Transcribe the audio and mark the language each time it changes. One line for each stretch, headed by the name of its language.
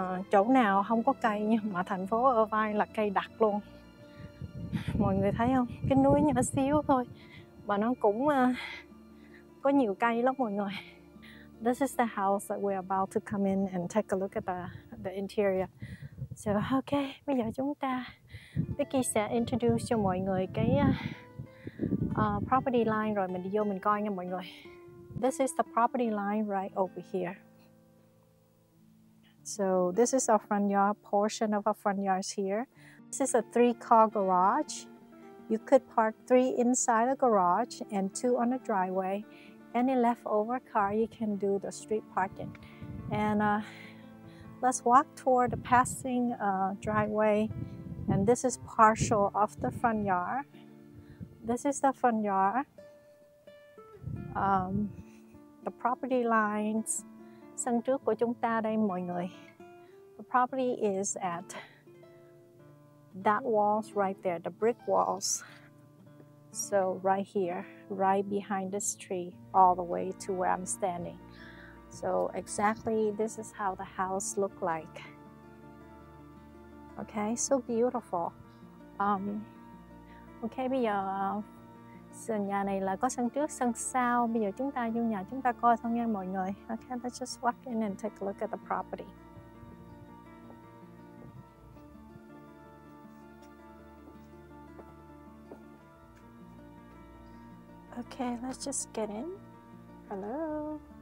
Vietnamese: Chỗ nào không có cây nha, mà thành phố Irvine là cây đặc luôn. Mọi người thấy không? Cái núi nhỏ xíu thôi mà nó cũng có nhiều cây lắm mọi người.
English: This is the house that we're about to come in and take a look at the interior.
Vietnamese: So okay, bây giờ chúng ta Vicky sẽ introduce cho mọi người cái property line rồi mình đi vô mình coi nha mọi người.
English: This is the property line right over here. So this is our front yard, portion of our front yards here. This is a 3-car garage. You could park 3 inside the garage and 2 on the driveway. Any leftover car, you can do the street parking. And let's walk toward the passing driveway. And this is partial of the front yard. This is the front yard. The property lines.
Vietnamese: Sân trước của chúng ta đây mọi người.
English: The property is at that walls right there, the brick walls. So right here, right behind this tree, all the way to where I'm standing. So exactly this is how the house looked like. Okay, so beautiful.
Vietnamese: Okay, bây giờ sân nhà này là có sân trước, sân sau. Bây giờ chúng ta vô nhà chúng ta coi thôi nha mọi người.
English: Okay, let's just walk in and take a look at the property. Okay, let's just get in. Hello.